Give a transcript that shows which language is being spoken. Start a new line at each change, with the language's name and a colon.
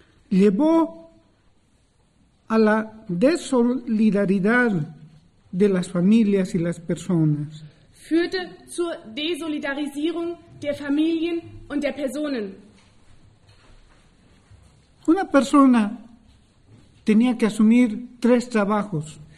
Spanish: Llevó a la desolidaridad de las familias y las personas.
German: Führte zur Desolidarisierung der Familien und der Personen.
Spanish: Una persona tenía que asumir tres trabajos.